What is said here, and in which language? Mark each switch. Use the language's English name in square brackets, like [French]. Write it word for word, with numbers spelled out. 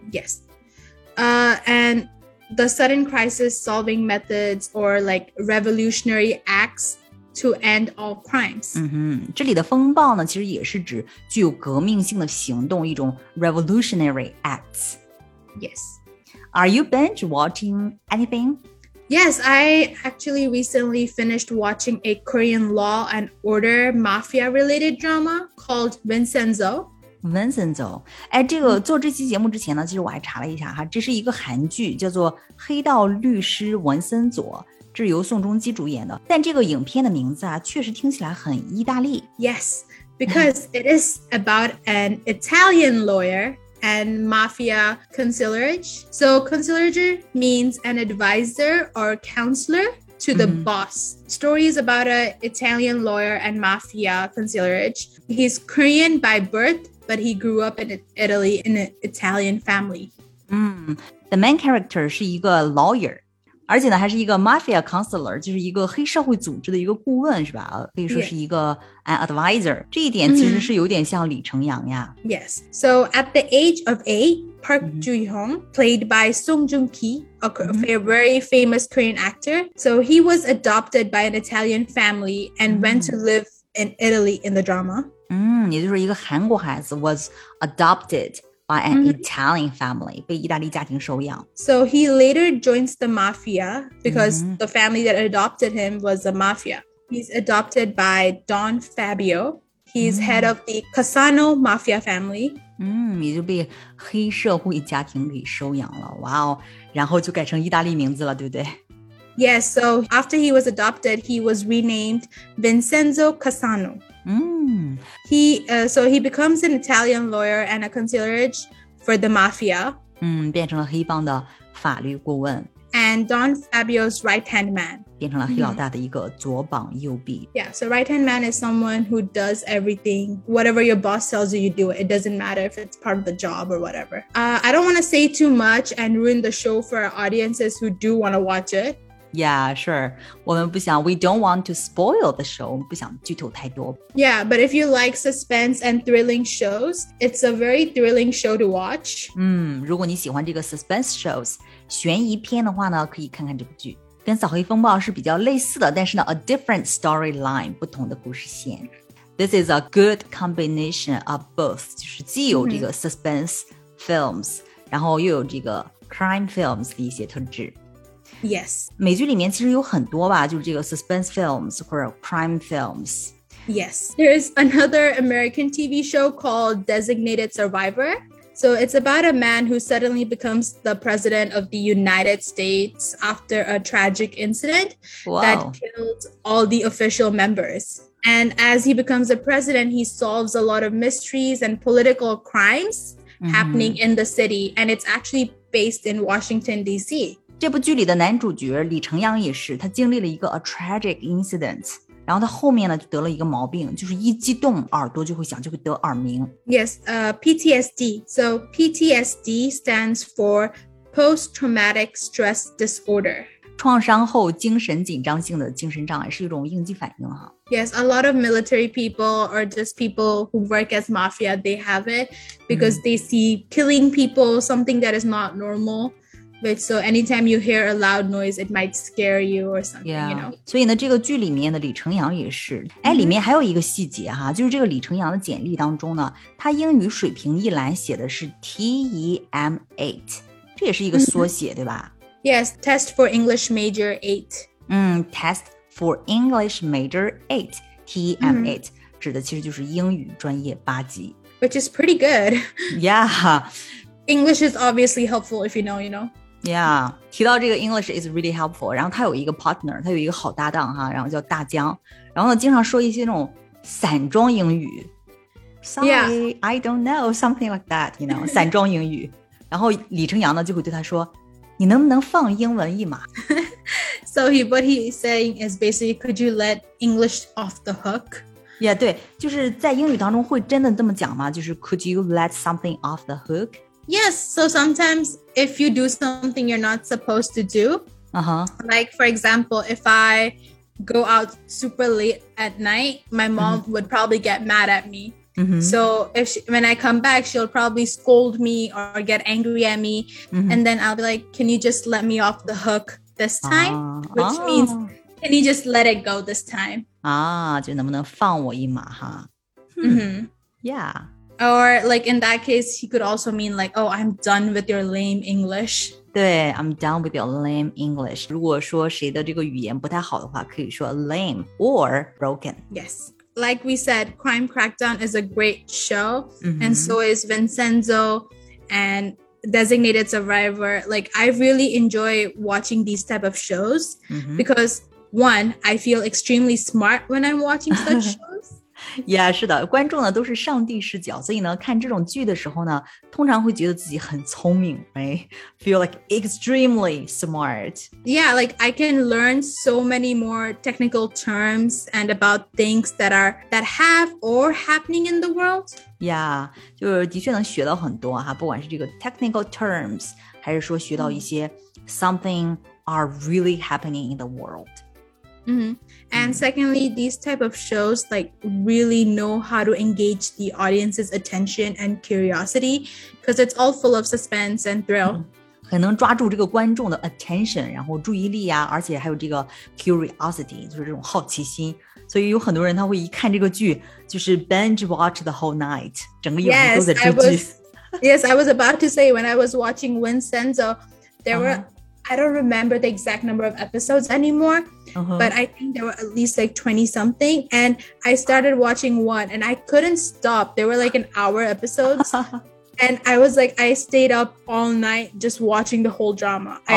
[English] Yes. Uh, and the sudden crisis solving methods or like revolutionary acts. To end all crimes. [Chinese] 嗯哼，这里的风暴呢，其实也是指具有革命性的行动，一种 [English] revolutionary acts. Yes. Are you binge watching anything? Yes, I actually recently finished watching a Korean law and order mafia-related drama called Vincenzo. Vincenzo. [Chinese] 哎，这个做这期节目之前呢，其实我还查了一下哈，这是一个韩剧，叫做《黑道律师文森佐》。是由宋仲基主演的，但这个影片的名字啊，确实听起来很意大利。 [English] Yes, because it is about an Italian lawyer and mafia conciliarage. So conciliarage means an advisor or counselor to the mm-hmm. boss. Story is about an Italian lawyer and mafia conciliarage. He's Korean by birth, but he grew up in Italy in an Italian family. 嗯 The main character [Chinese] 是一个 [English] lawyer。 [Chinese] 而且呢，还是一个 [English] mafia counselor， [Chinese] 就是一个黑社会组织的一个顾问，是吧？可以说是一个 [English] an advisor。 [Chinese] 这一点其实是有点像李成阳呀。 [English] Yes. So at the age of eight, Park mm-hmm. Joo-hyung, played by Song Joong-ki, a mm-hmm. very famous Korean actor. So he was adopted by an Italian family and mm-hmm. went to live in Italy in the drama. [Chinese] 嗯，也就是一个韩国孩子 [English] was adopted. by an [Chinese] mm-hmm. [English] Italian family, [Chinese] 被意大利家庭收养。 [English] So he later joins the mafia because mm-hmm. the family that adopted him was the mafia. He's adopted by Don Fabio. He's mm-hmm. head of the Cassano mafia family. [Chinese] 嗯，也就被黑社会家庭给收养了。哇哦，然后就改成意大利名字了，对不对？ [English] Yes, so after he was adopted, he was renamed Vincenzo Cassano. Mm. He uh, so he becomes an Italian lawyer and a concierge for the mafia. [Chinese] 嗯，变成了黑帮的法律顾问。 [English] And Don Fabio's right-hand man. [Chinese] 变成了黑老大的一个左膀右臂。 [English] Yeah, so right-hand man is someone who does everything. Whatever your boss tells you, you do it. It doesn't matter if it's part of the job or whatever. Uh, I don't want to say too much and ruin the show for our audiences who do want to watch it. Yeah, sure. [Chinese] 我们不想 [English] we don't want to spoil the show. [Chinese] 我们不想剧透太多。 [English] Yeah, but if you like suspense and thrilling shows, it's a very thrilling show to watch. [Chinese] 嗯，如果你喜欢这个 [English] suspense shows, [Chinese] 悬疑片的话呢，可以看看这部剧。跟《扫黑风暴》是比较类似的，但是呢 [English] a different storyline, [Chinese] 不同的故事线。 [English] This is a good combination of both. [Chinese] 就是既有这个 [English] suspense films, [Chinese] 然后又有这个 [English] crime films [Chinese] 的一些特质。 [English] Yes. [Chinese] 美剧里面其实有很多吧，就是这个 [English] suspense films [Chinese] 或者 [English] crime films. Yes. There is another American T V show called Designated Survivor. So it's about a man who suddenly becomes the president of the United States after a tragic incident Wow. that killed all the official members. And as he becomes the president, he solves a lot of mysteries and political crimes Mm-hmm. happening in the city. And it's actually based in Washington, D C [Chinese] 这部剧里的男主角李成阳也是，他经历了一个 [English] a tragic incident， [Chinese] 然后他后面呢就得了一个毛病，就是一激动耳朵就会响，就会得耳鸣。 [English] Yes, uh, P T S D. So P T S D stands for post-traumatic stress disorder. [Chinese] 创伤后精神紧张性的精神障碍是一种应激反应哈。 [English] Yes, a lot of military people or just people who work as mafia, they have it because、mm. they see killing people, something that is not normal. But so anytime you hear a loud noise, it might scare you or something, yeah. you know? [Chinese] 所以呢，这个剧里面的李成阳也是，哎，里面还有一个细节哈，就是这个李成阳的简历当中呢，他英语水平一栏写的是 T E M eight， 这也是一个缩写，对吧？ [English] Yes, Test for English Major eight. 嗯 Test for English Major eight, T E M eight [Chinese] 指的其实就是英语专业八级。 [English] Which is pretty good. Yeah. English is obviously helpful if you know, you know? Yeah, [Chinese] 提到这个 [English] English is really helpful. [Chinese] 然后他有一个 partner, 他有一个好搭档哈，然后叫大江。然后呢，经常说一些那种散装英语。 [English] Sorry,、 yeah. I don't know something like that. You know, [Chinese] 散装英语。然后李成阳呢就会对他说：“你能不能放英文一码？” [English] So he, what he is saying is basically, could you let English off the hook? [Chinese] Yeah, 对，就是在英语当中会真的这么讲吗？就是 [English] Could you let something off the hook? Yes, so sometimes if you do something you're not supposed to do, uh-huh. like for example, if I go out super late at night, my mom mm-hmm. would probably get mad at me. Mm-hmm. So if she, when I come back, she'll probably scold me or get angry at me. Mm-hmm. And then I'll be like, can you just let me off the hook this time? Uh, Which uh. means, can you just let it go this time? [Chinese] 啊，就能不能放我一马哈？ [English] Mm-hmm. Yeah. Or like in that case, he could also mean like, oh, I'm done with your lame English. 对 I'm done with your lame English. [Chinese] 如果说谁的这个语言不太好的话，可以说 lame or broken. [English] Yes. Like we said, Crime Crackdown is a great show. Mm-hmm. And so is Vincenzo and Designated Survivor. Like I really enjoy watching these type of shows mm-hmm. because one, I feel extremely smart when I'm watching such shows. [Chinese] Yeah, 是的，观众呢都是上帝视角，所以呢看这种剧的时候呢，通常会觉得自己很聪明 right? [English] Feel like extremely smart. Yeah, like I can learn so many more technical terms and about things that are that have or happening in the world. [Chinese] Yeah, 就是的确能学到很多哈，不管是这个 [English] technical terms， [Chinese] 还是说学到一些 [English] something are really happening in the world. Mm-hmm. And secondly, these type of shows like really know how to engage the audience's attention and curiosity because it's all full of suspense and thrill. [Chinese] 很能抓住这个观众的 attention, 然后注意力啊，而且还有这个 curiosity, 就是这种好奇心。所以有很多人他会一看这个剧，就是 [English] binge watch the whole night, [Chinese] 整个夜都在追剧。 [English] Yes, I was about to say when I was watching Vincenzo, there were.、Uh-huh. I don't remember the exact number of episodes anymore, uh-huh. but I think there were at least like twenty something. And I started watching one and I couldn't stop. There were like an hour episodes. And I was like, I stayed up all night just watching the whole drama. I